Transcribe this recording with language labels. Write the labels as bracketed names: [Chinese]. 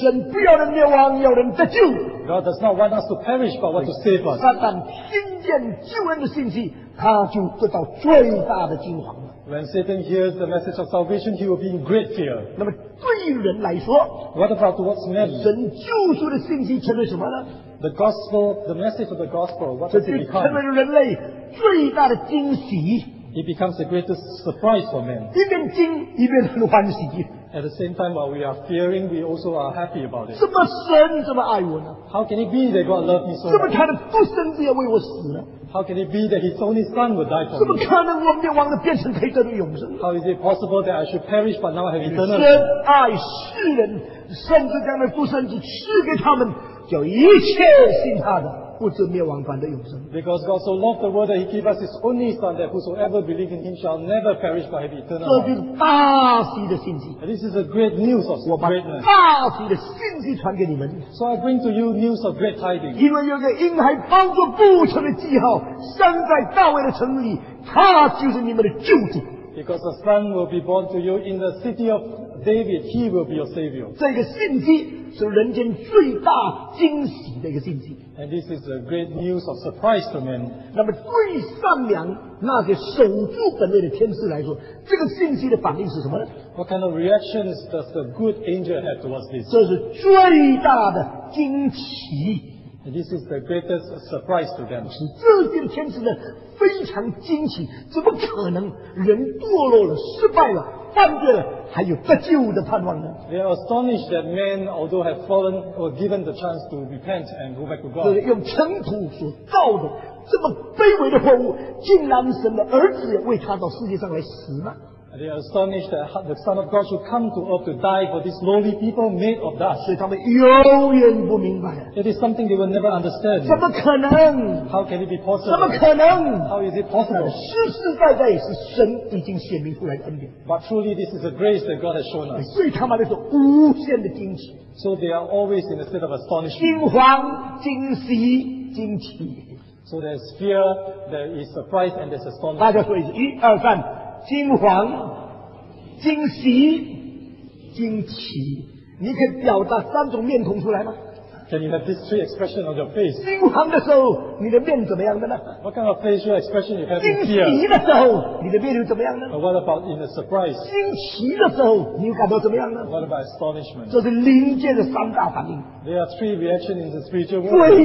[Chinese] 神不要人灭亡，要人得救。 [English] God does not want us to perish but want to save us. [Chinese] 撒旦听见救恩的信息，他就得到最大的惊惶。 [English] When Satan hears the message of salvation, he will be in great fear. [Chinese] 那么对人来说 [English] ，What about towards men? [Chinese] 神救赎的信息成了什么呢 [English] ？The gospel, the message of the gospel, what does it become? [Chinese] 成了人类最大的惊喜。 [English] It becomes the greatest surprise for men. [Chinese] 一边惊一边很欢喜。 [English] At the same time, while we are fearing, we also are happy about it. [Chinese] 这么神这么爱我呢 [English] ？How can it be that God loves me so much? [Chinese] 这么他的独生子也为我死呢？ [English] How can it be that his only son would die for me? [Chinese] 怎么可能我灭亡了变成可以得到永生 [English] ？How is it possible that I should perish but now I have eternal life? [Chinese] 神爱世人，甚至将那独生子赐给他们，叫一切信他的不至灭亡反得永生。 [English] Because God so loved the world that He gave us His only Son, that whosoever believes in Him shall never perish but have eternal life. [Chinese] 这是大喜的信息。 [English] This is a great news of greatness. [Chinese] 我把大喜的信息传给你们。 [English] So I bring to you news of great tidings. [Chinese] 因为有个婴孩包着不朽的记号，生在大卫的城里，他就是你们的救主。 [English] Because a son will be born to you in the city of David, He will be your savior. [Chinese] 这个信息是人间最大惊喜的一个信息。 [English] And this is a great news of surprise to men. [Chinese] 那么最善良那些守住本位的天使来说，这个信息的反应是什么呢 [English] ？What kind of reactions does the good angel have towards this? [Chinese] 这是最大的惊奇。 [English] And this is the greatest surprise to them. [Chinese] 是这些天使呢非常惊奇，怎么可能人堕落了失败了犯罪了还有得救的盼望呢？ [English] They are astonished that men, although have fallen, were given the chance to repent and go back to God. [Chinese] 所以用尘土所造的这么卑微的货物，竟然神的儿子也为他到世界上来死呢？ [English] They are astonished that the Son of God should come to earth to die for these lowly people made of dust. [Chinese] 所以他们永远不明白。 [English] It is something they will never understand. [Chinese] 怎么可能？ [English] How can it be possible? [Chinese] 怎么可能？ [English] How is it possible? [Chinese] 实实在在是神已经显明出来的恩典。 [English] But truly, this is a grace that God has shown us. [Chinese] 对他们来说，无限的惊奇。 [English] So they are always in a state of astonishment. [Chinese] 惊慌、惊喜、惊奇。 [English] So there's fear, there is surprise, and there's astonishment. [Chinese] 大家说一句，一二三。惊惶、惊喜、惊奇，你可以表达三种面孔出来吗？ [English] Can you have these three expressions on your face? [Chinese] 惊惶的时候，你的面怎么样的呢？ [English] What kind of facial expression you have in fear? [Chinese] 惊喜的时候，你的面又怎么样呢？ [English] What about in a surprise? [Chinese] 惊奇的时候，你又感到怎么样呢？ [English] What about astonishment? [Chinese] 这是灵界的三大反应。 [English] There are three reactions in the spiritual world.